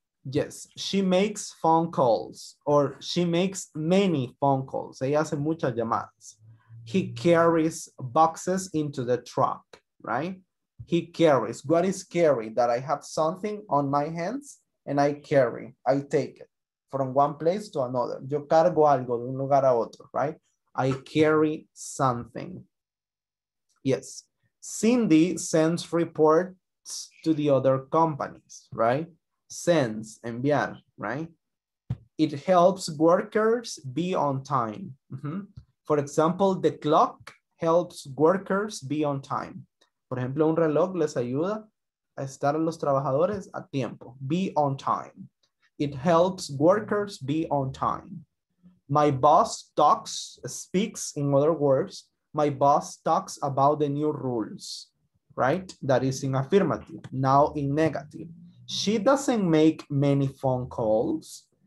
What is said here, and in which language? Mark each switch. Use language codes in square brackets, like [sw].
[en] Yes, she makes phone calls, or she makes many phone calls. [es] Ella hace muchas llamadas. [en] He carries boxes into the truck, right? He carries. What is carry? That I have something on my hands and I carry. I take it from one place to another. [es] Yo cargo algo de un lugar a otro, right? [en] I carry something. Yes. Cindy sends reports to the other companies, right? Sends, enviar, right? It helps workers be on time. Mm-hmm. For example, the clock helps workers be on time. [es] Por ejemplo, un reloj les ayuda a estar a los trabajadores a tiempo. [en] Be on time. It helps workers be on time. My boss talks, speaks, in other words, my boss talks about the new rules, right? That is in affirmative, now in negative. She doesn't make many phone calls.